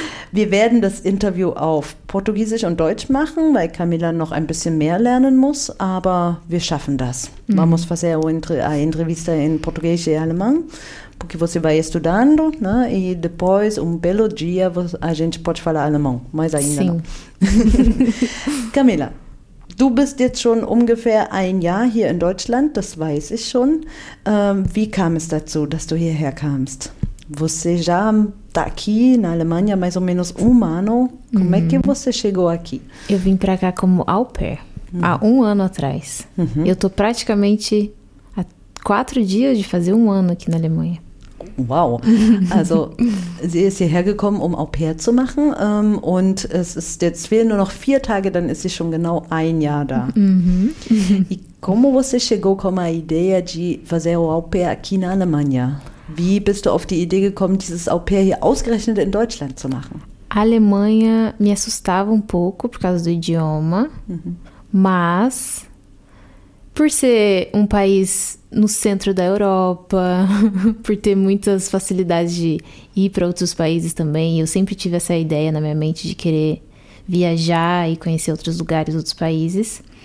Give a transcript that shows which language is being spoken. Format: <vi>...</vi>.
<de>Wir werden das Interview auf Portugiesisch und Deutsch machen, weil Camilla noch ein bisschen mehr lernen muss, aber wir schaffen das. Mm.</de> <pt>Vamos fazer a entrevista em português e alemão, porque você vai estudando, né? E depois, um belo dia, a gente pode falar alemão, mas ainda Sim. não.</pt> <de>Camilla, du bist jetzt schon ungefähr ein Jahr hier in Deutschland, das weiß ich schon. Wie kam es dazu, dass du hierher kamst?</de> <pt>Você já está aqui na Alemanha mais ou menos um ano. Como é que você chegou aqui? Eu vim para cá como au pair há um ano atrás. Uhum. Eu estou praticamente há 4 dias de fazer um ano aqui na Alemanha. Uau!</pt> <de>Also, sie ist hierher gekommen, um au pair zu machen. Und es ist jetzt fehlen nur noch 4 Tage, dann ist sie schon genau ein Jahr da. Uhum.</de> <pt>E como você chegou com a ideia de fazer o au pair aqui na Alemanha?</pt> <de>Wie bist du auf die Idee gekommen, dieses Au-pair hier ausgerechnet in Deutschland zu machen?</de> <pt>Alemanha me assustava pouco por causa do idioma, mas por ser país no centro da Europa, por ter muitas facilidades de ir para outros países também, eu sempre tive essa ideia na minha mente de querer viajar e conhecer outros lugares, outros países.</pt>